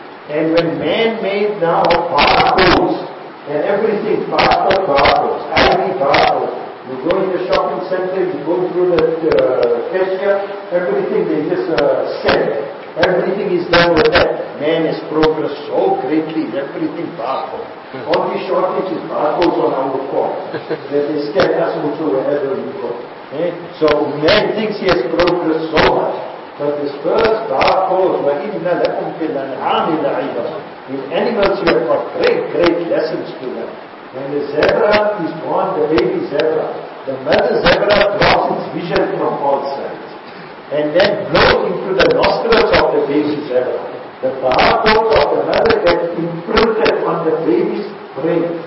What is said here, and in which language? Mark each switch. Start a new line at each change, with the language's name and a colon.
English: And when man made now barcodes and everything, barcodes, you go in the shopping center, you go through the cashier, everything they just said. Everything is done with that. Man has progressed so greatly, everything barcode. All these shortages, barcodes on our form. That they scare us also wherever we go. So man thinks he has progressed so much. But this first barcode,
Arabic: وَإِنَّ لَكُمْ فِي الْأَنْعَامِ لَعِبَرًا.
English: In animals you have got great, great lessons to learn. When the zebra is born, the baby zebra, the mother zebra draws its vision from all sides. And then blows into the nostrils of the baby zebra. The barcode of the mother gets imprinted on the baby's brain.